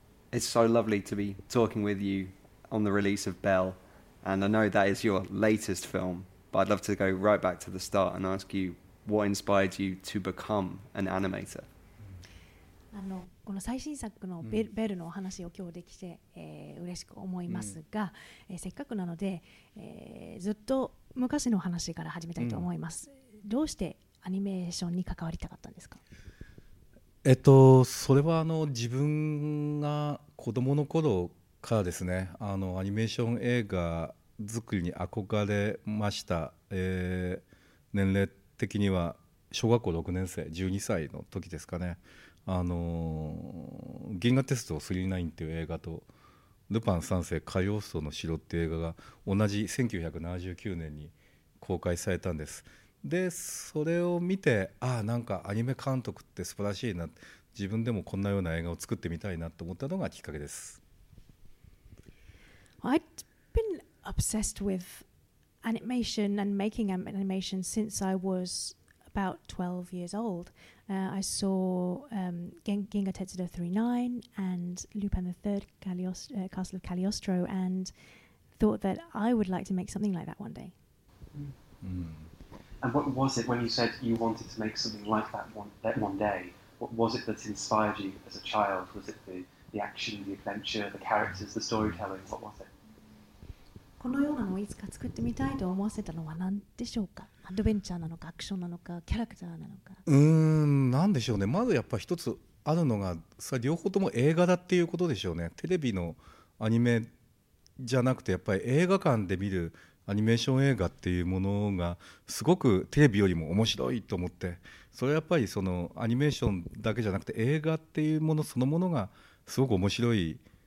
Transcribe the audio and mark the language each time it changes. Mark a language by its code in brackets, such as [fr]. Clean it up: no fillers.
[en] It's so lovely to be talking with you on the release of Belle. And I know that is your latest film, but I'd love to go right back to the start and ask you what inspired you to become an animator. [ja] この最新作のベルの話を今日できて嬉しく思いますが、せっかくなので、ずっと昔の話から始めたいと思います。どうしてアニメーションに関わりたかったんですか？それは自分が子供の頃からですね、アニメーション映画作りに憧れました。年齢的には小学校6年生、12歳の時ですかね。銀河鉄道999という映画とルパン三世火曜層の城という映画が同じ1979年に公開されたんです。でそれを見て、ああなんかアニメ監督って素晴らしいな、自分でもこんなような映画を作ってみたいなと思ったのがきっかけです。 [en] I'd been obsessed with animation and making animation since I was about 12 years old. I saw Ginga Tetsudo 39 and Lupin the Third, Castle of Cagliostro, and thought that I would like to make something like that one day. And what was it when you said you wanted to make something like that one day? What was it that inspired you as a child? Was it the action, the adventure, the characters, the storytelling? What was it? [ja] このようなのをいつか作ってみたいと思わせたのは何でしょうか？アドベンチャーなのか、アクションなのか、キャラクターなのか。なんでしょうね。まずやっぱ一つあるのが、さ両方とも映画だっていうことでしょうね。テレビのアニメじゃなくて、やっぱり映画館で見るアニメーション映画っていうものがすごくテレビよりも面白いと思って、それはやっぱりそのアニメーションだけじゃなくて映画っていうものそのものがすごく面白い